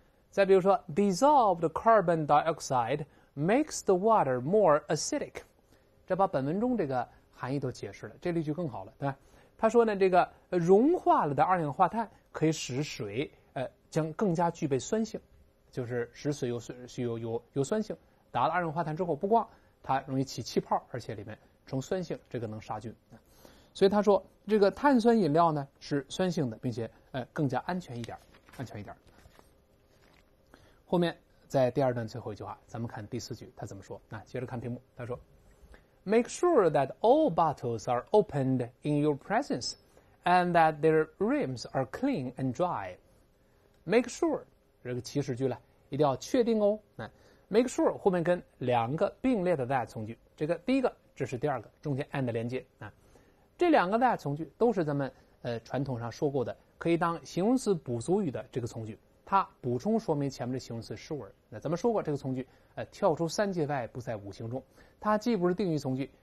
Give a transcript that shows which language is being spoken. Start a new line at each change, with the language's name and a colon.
Chinese: 再比如说
English: dissolved carbon dioxide makes the water more acidic，
Chinese: 这把本文中这个含义都解释了，这例句更好了，对吧？他说呢，这个融化了的二氧化碳可以使水将更加具备酸性，就是使水有酸性，打了二氧化碳之后不光它容易起气泡，而且里面成酸性，这个能杀菌。所以他说这个碳酸饮料呢是酸性的，并且更加安全一点。后面在第二段最后一句话，咱们看第四句他怎么说。那接着看屏幕，他说
English: Make sure that all bottles are opened in your presence and that their rims are clean and dry.
Chinese: Make sure 这个祈使句了，一定要确定哦。那 Make sure 后面跟两个并列的 that 从句，这个第一个这是第二个中间 and 连接啊，这两个 that 从句都是咱们传统上说过的可以当形容词补足语的这个从句，它补充说明前面的形容词 sure。 那咱们说过这个从句跳出三界外不在五行中，它既不是定语从句